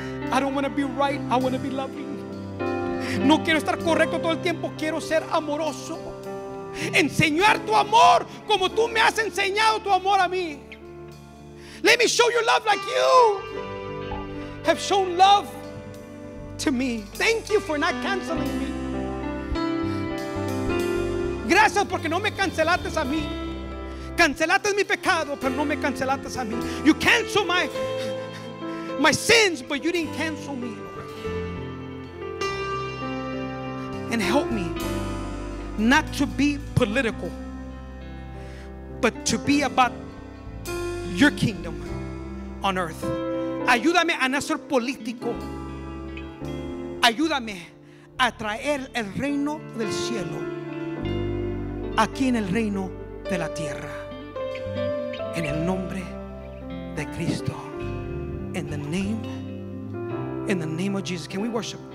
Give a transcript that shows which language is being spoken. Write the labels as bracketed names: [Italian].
[English] I don't want to be right, I want to be loving. [Spanish] No quiero estar correcto todo el tiempo, quiero ser amoroso. Enseñar tu amor como tú me has enseñado tu amor a mí. [English] Let me show your love like you have shown love to me. Thank you for not canceling me. [Spanish] Gracias porque no me cancelaste a mí. Cancelaste mi pecado, pero no me cancelaste a mí. [English] You canceled my sins, but you didn't cancel me, Lord. And help me not to be political, but to be about your kingdom on earth. [Spanish] Ayúdame a no ser político. Ayúdame a traer el reino del cielo aquí en el reino de la tierra. En el nombre de Cristo. [English] In the name of Jesus. Can we worship?